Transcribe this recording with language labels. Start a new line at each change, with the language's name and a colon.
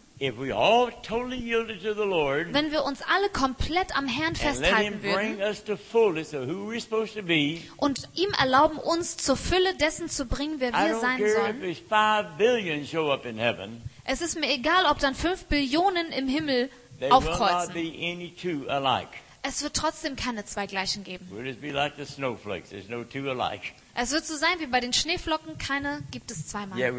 English: If we all totally yielded to the Lord,
German: wenn wir uns alle komplett am Herrn festhalten würden,
English: and let him bring us to fullness of who we're supposed to be,
German: und ihm erlauben, uns zur Fülle dessen zu bringen, wer wir sein sollen.
English: I don't care if 5 billion show up in heaven.
German: Es ist mir egal, ob dann 5 Billionen im Himmel aufkreuzen.
English: There will not be any two alike.
German: Es wird trotzdem keine zwei gleichen geben. Es wird so sein wie bei den Schneeflocken, keine gibt es zweimal.